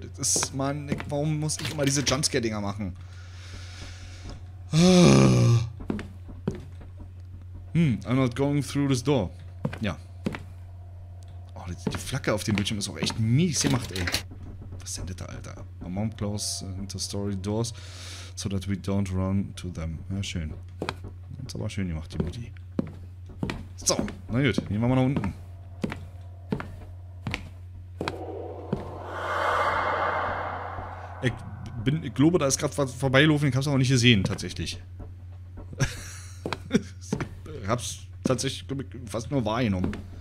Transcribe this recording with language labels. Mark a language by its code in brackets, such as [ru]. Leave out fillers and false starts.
[de] Das ist, Mann, warum muss ich immer diese Jumpscare-Dinger machen? [en] I'm not going through this door. [de] Ja. Die Flacke auf dem Bildschirm ist auch echt mies gemacht, ey. Was sendet da, Alter? [en] My mom closed interstory doors, so that we don't run to them. [de] Ja, schön. Ist aber schön gemacht, die Mutti. So, na gut, gehen wir mal nach unten. Ich glaube, da ist gerade was vorbeigelaufen, ich hab's auch nicht gesehen, tatsächlich. Ich hab's tatsächlich, glaube ich, fast nur wahrgenommen.